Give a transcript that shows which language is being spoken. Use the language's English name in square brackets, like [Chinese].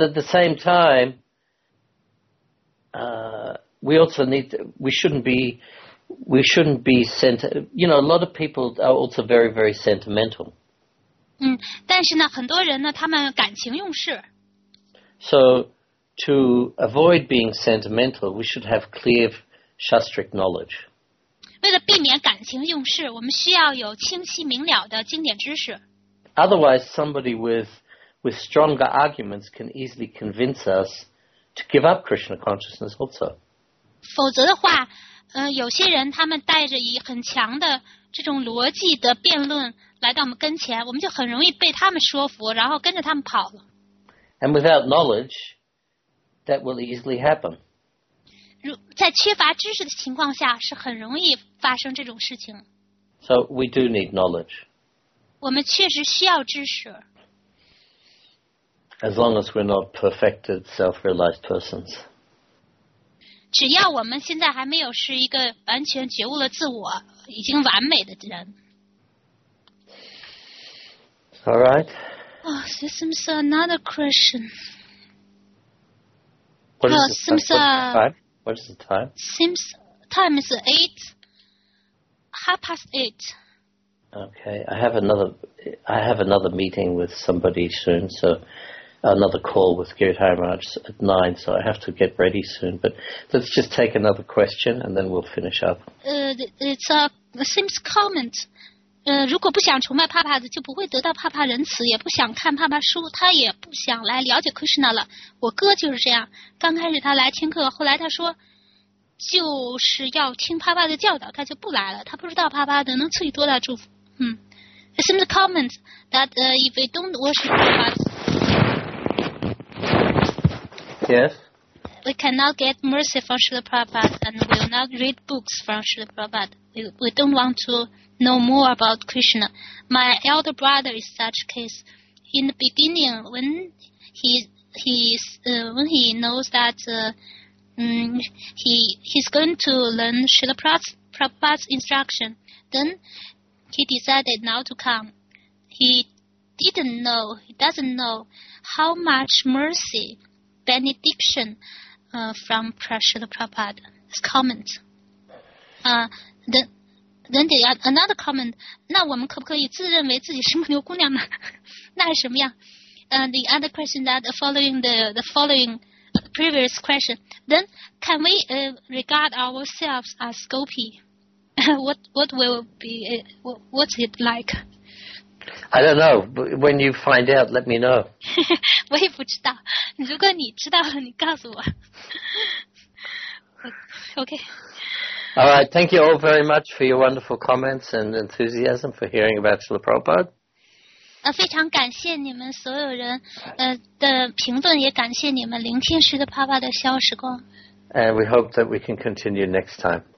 [English] at the same time, you know, a lot of people are also very, very sentimental. [Chinese] 但是呢，很多人呢，他们感情用事。So [English] to avoid being sentimental, we should have clear Shastric knowledge. [Chinese] 为了避免感情用事，我们需要有清晰明了的经典知识。 [English] Otherwise, somebody with stronger arguments can easily convince us to give up Krishna consciousness also. [Chinese] 否则的话，有些人他们带着以很强的这种逻辑的辩论来到我们跟前，我们就很容易被他们说服，然后跟着他们跑了。 [English] And without knowledge, that will easily happen. [Chinese] 在缺乏知识的情况下是很容易发生这种事情。 [English] So we do need knowledge. [Chinese] 我们确实需要知识。 [English] As long as we're not perfected self-realized persons. [Chinese] 只要我们现在还没有是一个完全觉悟了自我已经完美的人。 [English] All right. Oh, this is another question. What is the time? What is the time? Seems time is 8:30. Okay, I have another meeting with somebody soon, so another call with Girdhar Maharaj at 9, so I have to get ready soon. But let's just take another question and then we'll finish up. It's a Sims comment. [Chinese] 如果不想崇拜帕帕的，就不会得到帕帕仁慈，也不想看帕帕书，他也不想来了解 Krishna 了。我哥就是这样，刚开始他来听课，后来他说就是要听帕帕的教导，他就不来了。他不知道帕帕的能赐予多大祝福。 [English] It seems to comment that if we don't worship Prabhupada, yes, we cannot get mercy from Srila Prabhupada and will not read books from Srila Prabhupada. We don't want to. Know more about Krishna. My elder brother is such case. In the beginning, when he knows that he's going to learn Srila Prabhupada's instruction, then he decided not to come. He doesn't know how much mercy, benediction from Srila Prabhupada's comment. Then they add another comment. [Chinese] 那我们可不可以自认为自己是牧牛姑娘呢？那是什么样？ [English] The other question that following the following previous question. Then can we regard ourselves as gopi? what will be what's it like? I don't know. When you find out, let me know. [Chinese] 我也不知道。如果你知道了，你告诉我。 [English] Okay. All right, thank you all very much for your wonderful comments and enthusiasm for hearing about Srila Prabhupada. [Chinese] 非常感谢你们所有人的评论，也感谢你们聆听Srila Prabhupada的小时光。 [English] And we hope that we can continue next time.